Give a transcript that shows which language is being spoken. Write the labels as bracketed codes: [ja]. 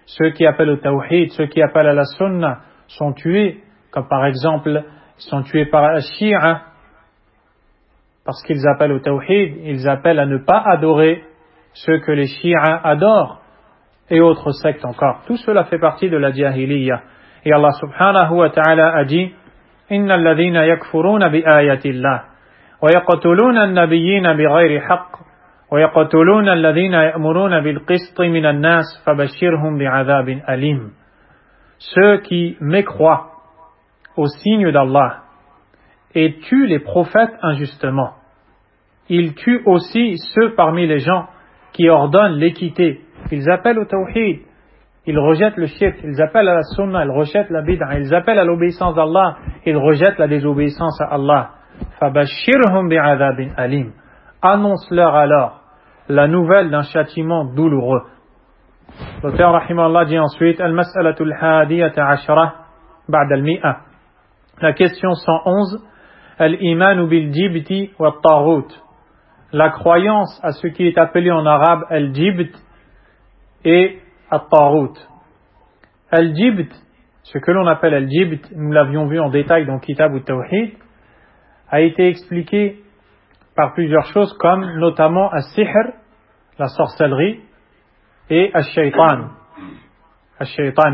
[fr] ceux qui appellent au tawhid, ceux qui appellent à la sunna, sont tués, comme par exemple, ils sont tués par la shi'a, parce qu'ils appellent au tawhid, ils appellent à ne pas adorer ceux que les shi'a adorent, et autres sectes encore. Tout cela fait partie de la jahiliya. Et Allah subhanahu wa ta'ala a dit, [ar] إِنَّ الَّذِينَ يَكْفُرُونَ بِآيَةِ اللَّهِ وَيَقْتُلُونَ النَّبِيِّينَ بِغَيْرِ حَقٍّ وَيَقْتُلُونَ الَّذِينَ يَأْمُرُونَ بِالْقِسْطِ مِنَ النَّاسِ فَبَشِّرْهُمْ بِعَذَابٍ أَلِيمٍ. [fr] Ceux qui mécroient au signe d'Allah et tuent les prophètes injustement, ils tuent aussi ceux parmi les gens qui ordonnent l'équité. Ils appellent au tawhid, ils rejettent le shirk, ils appellent à la sunna, ils rejettent la bid'a, ils appellent à l'obéissance d'Allah, ils rejettent la désobéissance à Allah. [ar] فَبَشِّرْهُمْ بِعَذَابٍ أَلِيمٍ. [fr] Annonce-leur alors la nouvelle d'un châtiment douloureux. L'auteur rahimahullah dit ensuite, [ar] الْمَسْأَلَةُ الْحَادِيَةَ عَشْرَةَ بَعْدَ الْمِئَةَ. [fr] La question 111, [ar] الْإِيمَانُ بِالْجِبْتِ وَالْطَّاغُوتِ. [fr] La croyance à ce qui est appelé en arabe الْجِبْتِ et الْطَّاغُوتِ. الْجِبْتِ, ce que l'on appelle الْجِبْتِ, nous l'avions vu en détail dans Kitab al-Tawhid, a été expliqué par plusieurs choses comme notamment al-sihr, la sorcellerie, et al-shaytan. Al-shaytan.